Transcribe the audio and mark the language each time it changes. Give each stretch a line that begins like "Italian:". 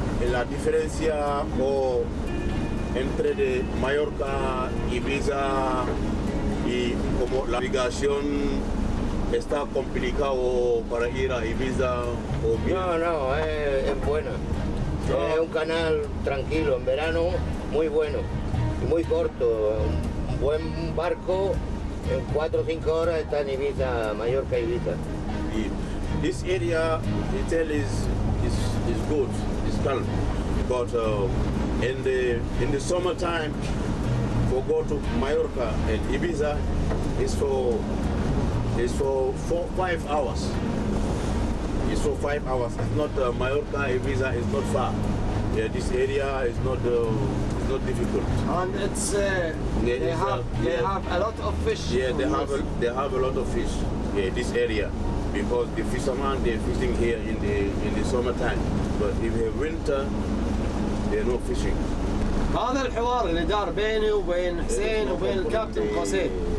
Spanish: La diferencia o entre de Mallorca, Ibiza y como la navegación está complicado para ir a Ibiza o bien. No, es buena. No. Es un canal tranquilo, en verano muy bueno, muy corto, un buen barco, en 4 o 5 horas está en Ibiza, Mallorca, Ibiza.
English: Y this area, Italy is good, it's calm, but in the summertime, for go to Mallorca and Ibiza, it's for 4-5 hours. It's for 5 hours. It's not Mallorca, Ibiza. It's not far. Yeah, this area is not difficult. And it's they have a lot of fish. Yeah, they have a lot of fish. Yeah, this area, because the fishermen they're fishing here in the summertime. But if it's winter, they're not fishing.
Arabic: هذا الحوار اللي دار بيني وبين حسين وبين الكابتن حسين.